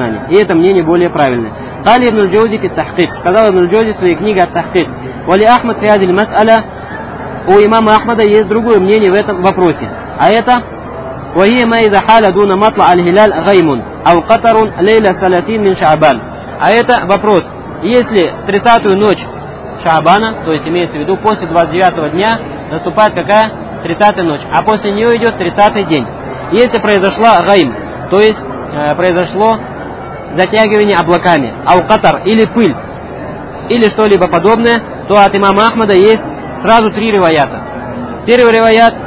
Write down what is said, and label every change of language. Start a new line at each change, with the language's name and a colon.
Russian: И это мнение более правильное.
Arabic: Кали ибн Джоузи фи Тахкик.
Russian: Сказал ибн Джоузи в своей книге от Тахкик.
Arabic: Вали Ахмад фи Адиль Мас'аля.
Russian: У имама Ахмада есть другое мнение в этом вопросе. А это...
Arabic: وهي ما إذا حال دون مطلع الهلال غيم أو قطر ليلة 30 من شعبان.
Russian: А это вопрос. Если 30-ю ночь Шаабана, то есть имеется в виду после 29-го дня, наступает какая? 30-я ночь. А после нее идет 30-й день. Если произошла гайм, то есть произошло затягивание облаками,
Arabic: ау катар,
Russian: или пыль, или что-либо подобное, то от имама Ахмада есть сразу три риваята. Первый риваят.